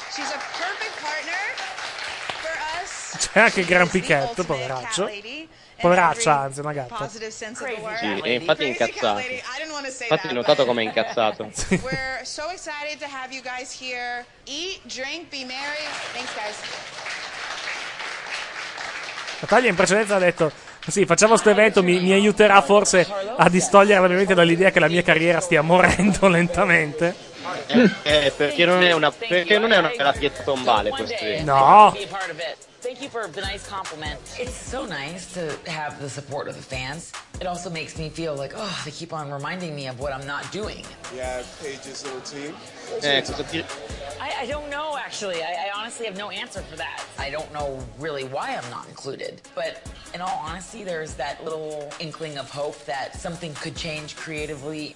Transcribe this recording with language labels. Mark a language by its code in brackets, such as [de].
[en] She's a perfect partner for us. [it] C'è anche Gran Pichetto, poveraccio. Poveraccia, anzi, una gatta. Sì, è infatti incazzato. Infatti, hai notato com'è incazzato. [en] We're so excited to have you guys here. Eat, drink, be merry. Thanks, guys. [it] Natalia in precedenza ha detto: sì, facciamo questo evento, mi aiuterà forse a distogliere la mia mente dall'idea che la mia carriera stia morendo lentamente. Perché non è una pietra tombale questo evento. No. [en] Thank you for the nice compliment. It's so nice to have the support of the fans. It also makes me feel like, oh, they keep on reminding me of what I'm not doing. Yeah, Paige's little team. I don't know, actually. I honestly have no answer for that. I don't know really why I'm not included. But in all honesty, there's that little inkling of hope that something could change creatively.